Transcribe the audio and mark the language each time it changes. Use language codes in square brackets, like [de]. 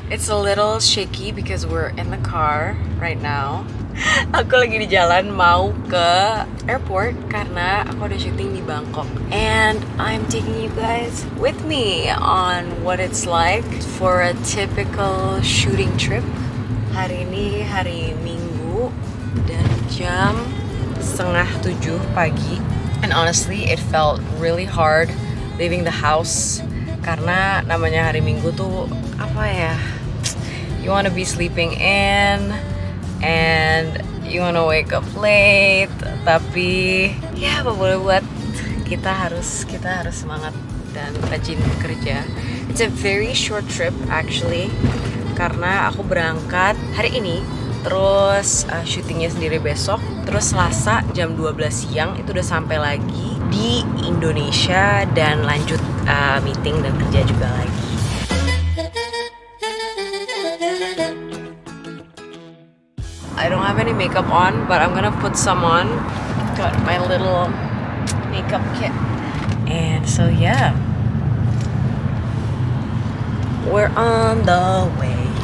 [en] little shaky because we're in the car right now. [id] Aku lagi di jalan mau ke airport karena aku ada syuting di Bangkok. [en] And I'm taking you guys with me on what it's like for a typical shooting trip. [id] Hari ini hari Minggu dan jam 6:30 pagi. [en] And honestly, it felt really hard leaving the house [id] karena namanya hari Minggu tuh apa ya? [en] You want to be sleeping in and you want to wake up late, [id] tapi ya apa boleh buat. Kita harus semangat dan rajin kerja. [en] It's a very short trip actually [id] karena aku berangkat hari ini, terus syutingnya sendiri besok, terus Selasa jam 12 siang itu udah sampai lagi di Indonesia dan lanjut meeting dan kerja juga lagi. [en] I don't have any makeup on, but I'm gonna put some on. Got my little makeup kit. And so yeah, we're on the way.